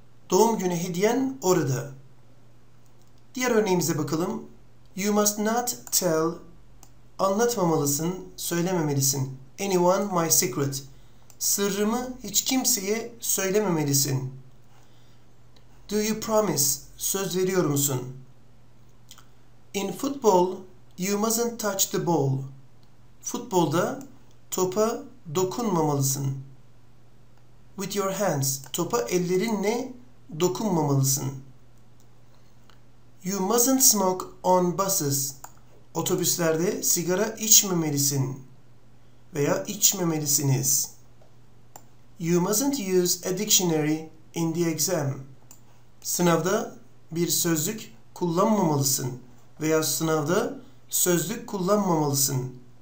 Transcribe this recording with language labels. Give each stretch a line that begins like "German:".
Turkish: Doğum günü hediyen orada. Diğer örneğimize bakalım.
English: You must not tell,
Turkish: anlatmamalısın, söylememelisin.
English: Anyone my secret.
Turkish: Sırrımı hiç kimseye söylememelisin.
English: Do you promise?
Turkish: Söz veriyor musun?
English: In football, you mustn't touch the ball.
Turkish: Futbolda topa dokunmamalısın.
English: With your hands,
Turkish: topa ellerinle dokunmamalısın.
English: You mustn't smoke on buses.
Turkish: Otobüslerde sigara içmemelisin veya içmemelisiniz.
English: You mustn't use a dictionary in the exam.
Turkish: Sınavda bir sözlük kullanmamalısın veya sınavda sözlük kullanmamalısın.